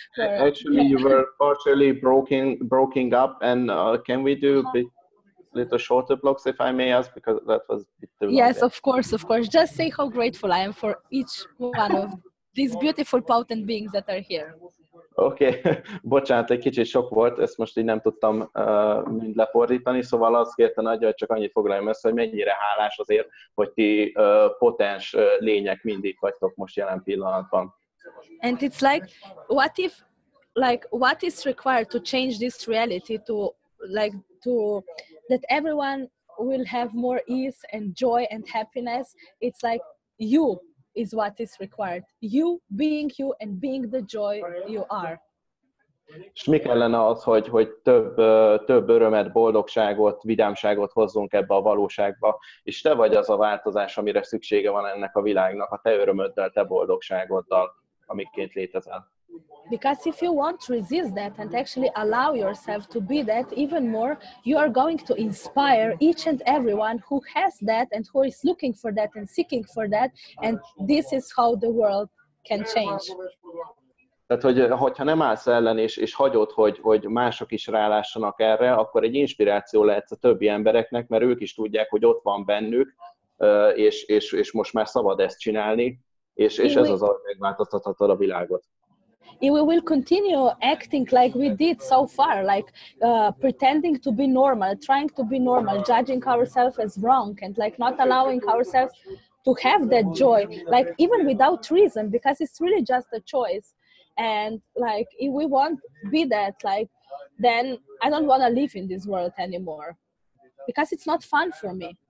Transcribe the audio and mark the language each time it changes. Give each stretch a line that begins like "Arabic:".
English: Actually, you were partially broken up, and can we do a bit, little shorter blocks, if I may ask, because that was a bit too long. Yes, of course, just say how grateful I am for each one of these beautiful, potent beings that are here. Okay.
Hungarian: Bocsánat, egy kicsit sok volt, ezt most így nem tudtam mind lefordítani, szóval azt kérte nagyja, hogy csak annyit foglaljam össze, hogy mennyire hálás azért, hogy ti potens lények mindig vagytok most jelen pillanatban.
English: And it's like, what if, like, what is required to change this reality to, like, to, that everyone will have more ease and joy and happiness? It's like, you is what is required. You being you and being the joy you are.
Hungarian: És mi kellene az, hogy több örömet, boldogságot, vidámságot hozzunk ebbe a valóságba, és te vagy az a változás, amire szüksége van ennek a világnak, a te örömöddel, te boldogságoddal, amikként létezel.
English: Because if you won't resist that and actually allow yourself to be that even more, you are going to inspire each and everyone who has that and who is looking for that and seeking for that, and this is how the world can change.
Hungarian: Tehát, hogyha nem állsz ellen és hagyod, hogy mások is rálássanak erre, akkor egy inspiráció lehetsz a többi embereknek, mert ők is tudják, hogy ott van bennük, és most már szabad ezt csinálni, és ez az, ahogy megváltoztathatod a világot.
English: If we will continue acting like we did so far, like pretending to be normal, trying to be normal, judging ourselves as wrong and like not allowing ourselves to have that joy, like even without reason, because it's really just a choice. And like if we won't be that, like then I don't want to live in this world anymore because it's not fun for me.